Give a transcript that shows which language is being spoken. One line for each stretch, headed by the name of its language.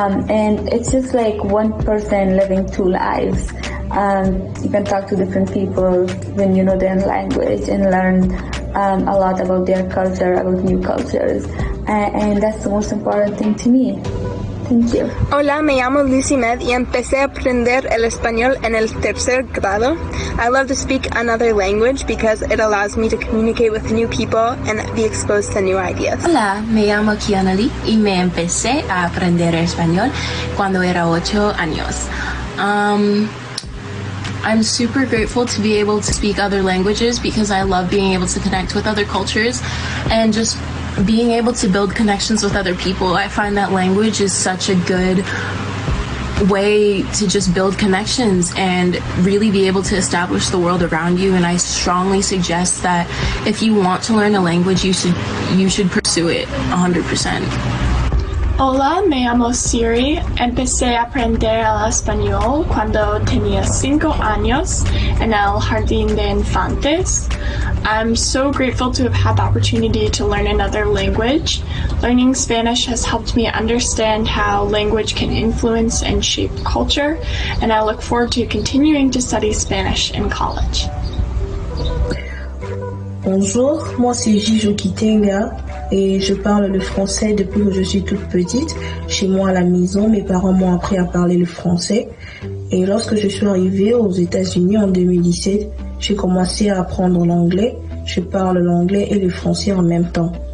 English: And it's just like one person living two lives. You can talk to different people when you know their language and learn a lot about their culture, about new cultures. And that's the most important thing to me. Thank you.
Spanish: Hola, me llamo Lucy Med y empecé a aprender el español en el tercer grado.
English: I love to speak another language because it allows me to communicate with new people and be exposed to new ideas.
Spanish: Hola, me llamo Kiana Lee y me empecé a aprender español cuando era 8 años.
English: I'm super grateful to be able to speak other languages because I love being able to connect with other cultures and just being able to build connections with other people. I find that language is such a good way to just build connections and really be able to establish the world around you. And I strongly suggest that if you want to learn a language, you should pursue it 100%.
Spanish: Hola, me llamo Siri. Empecé a aprender el español cuando tenía 5 años en el jardín de infantes.
English: I'm so grateful to have had the opportunity to learn another language. Learning Spanish has helped me understand how language can influence and shape culture, and I look forward to continuing to study Spanish in college.
French: Bonjour, moi c'est Gijo Kitenga. Et je parle le français depuis que je suis toute petite. Chez moi à la maison, mes parents m'ont appris à parler le français. Et lorsque je suis arrivée aux États-Unis en 2017, j'ai commencé à apprendre l'anglais. Je parle l'anglais et le français en même temps.